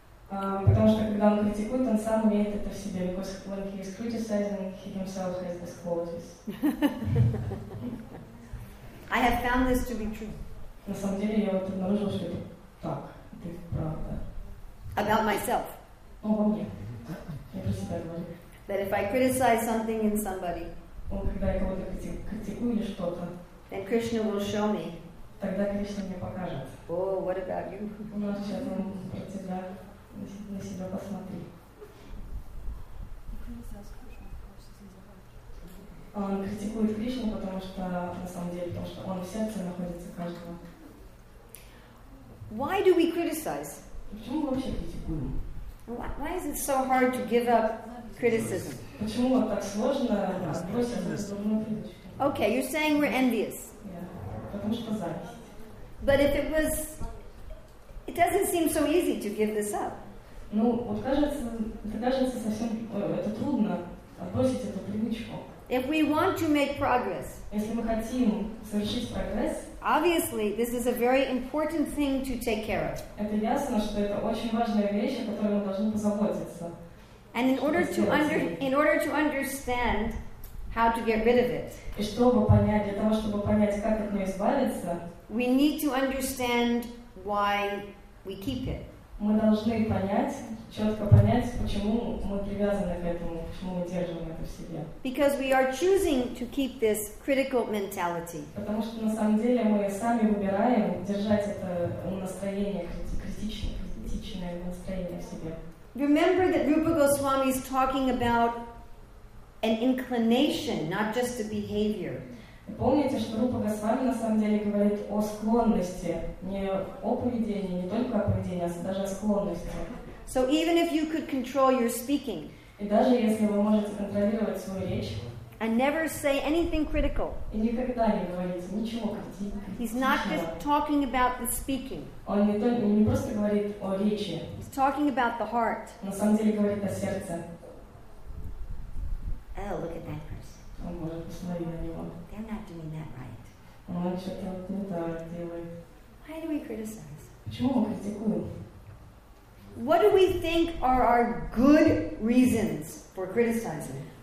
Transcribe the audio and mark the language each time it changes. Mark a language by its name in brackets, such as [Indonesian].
[Russian] Потому что когда он критикует, он сам имеет это в себе. [English] Because when he is criticizing, he himself has these qualities. I have found this to be true. [Russian] На самом деле я вот обнаружил, что это так, это правда. [English] About myself. [Russian] Ну, во мне. Я про себя говорю. [English] That if I criticize something in somebody. [Russian] Он когда я кого-то критикую или что-то. [English] Then Krishna will show me. [Russian] Тогда Кришна мне покажет. [English] Oh, what about you? [Russian] Ну, сейчас он про тебя. На себя посмотри. Он критикует Кришну, потому что на самом деле, потому что он в сердце находится каждого. [English] Why do we criticize? [Russian] Почему мы вообще критикуем? [English] Why is it so hard to give up criticism? [Russian] Почему вот так сложно бросить эту сторону критики? [English] Okay, you're saying we're envious. [Russian] Yeah, потому что зависть. [English] But if it was, it doesn't seem so easy to give this up. [Russian] Ну, вот кажется совсем, это трудно отбросить эту привычку. [English] If we want to make progress, [Russian] если мы хотим совершить прогресс, [English] obviously this is a very important thing to take care of. [Russian] Это ясно, что это очень важная вещь, о которой мы должны позаботиться. [English] And in order to understand how to get rid of it, [Russian] и чтобы понять, для того, чтобы понять, как от нее избавиться, [English] we need to understand why we keep it. [Russian] Мы должны понять, четко понять, почему мы привязаны к этому, почему мы держим это в себе. [English] Because we are choosing to keep this critical mentality. [Russian] Потому что на самом деле мы сами выбираем держать это настроение, критичное настроение в себе. [English] Remember that Rupa Goswami is talking about an inclination, not just a behavior. [Russian] Помните, что Рупа Госвами на самом деле говорит о склонности, не о поведении, не только о поведении, а даже о склонности. [English] So even if you could control your speaking, [Russian] и даже если вы можете контролировать свою речь, [English] and never say anything critical, [Russian] и никогда не говорите ничего критичного, [English] he's not just talking about the speaking. [Russian] Он не просто говорит о речи. [English] He's talking about the heart. [Russian] На самом деле говорит о сердце. [English] Oh, look at that person. [Russian] Он может посмотреть на него. [English] They're not doing that right. [Russian] Он что-то вот не так делает. [English] Why do we criticize? [Russian] Почему мы критикуем? [English] What do we think are our good reasons for criticizing?